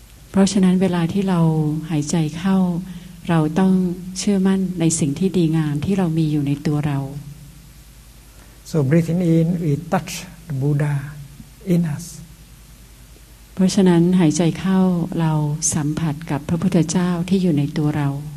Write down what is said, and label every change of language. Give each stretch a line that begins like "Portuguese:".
Thai: เพราะฉะนั้นเวลาที่เราหายใจเข้าเราต้องเชื่อมั่นในสิ่งที่ดีงามที่เรามีอยู่ในตัวเรา
English: So breathing in we touch the Buddha in us
Thai: เพราะฉะนั้นหายใจเข้าเราสัมผัสกับพระพุทธเจ้าที่อยู่ในตัวเรา